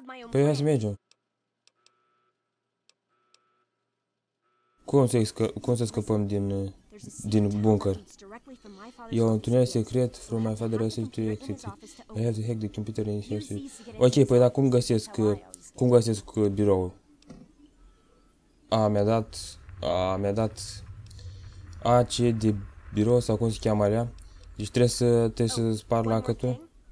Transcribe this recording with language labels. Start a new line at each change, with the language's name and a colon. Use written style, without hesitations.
Romanian: Păi hai să mergem. Cum să scăpăm din bunker? E un tunel secret
English: from my father received to exit. I have to hack the computer in his office.
Romanian: Ok, păi dar cum găsesc biroul? Mi-a dat... AC de birou sau cum se cheamă alea. Deci trebuie să spar lacătul.